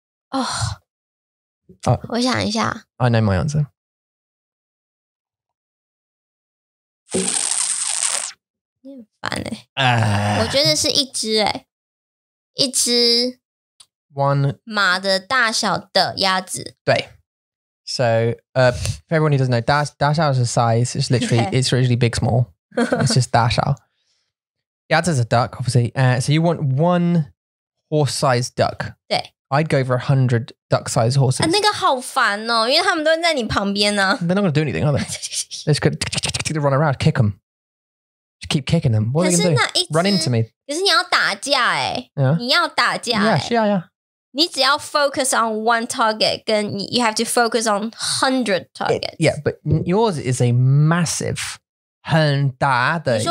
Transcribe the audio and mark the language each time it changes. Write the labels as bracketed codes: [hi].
[zh] 哦，我想一下。 [en] I know my answer. [zh] 你很烦欸我觉得是一只欸一只 [en] one [zh] 马的大小的鸭子 [en] 对 so for everyone who doesn't know 大小 is a size it's literally it's usually big small it's just [zh] 大小鸭子 [en] is a duck obviously so you want one horse sized duck [zh] 对 [en] I'd go for 100 duck sized horses [zh] 那个好烦哦因为他们都在你旁边呢 [en] they're not gonna do anything are they let's goto run around, kick them. Just keep kicking them. What are you going to do? Run into me. [zh] 可是你要打架欸。 [en] Yeah. [zh] 你要打架欸。 [en] Yeah, [zh] 是啊， [en] yeah. [zh] 你只要 [en] focus on one target, [zh] 跟 [en] you have to focus on 100 targets. Yeah, but yours is a massive, [zh] 很大的鸭子。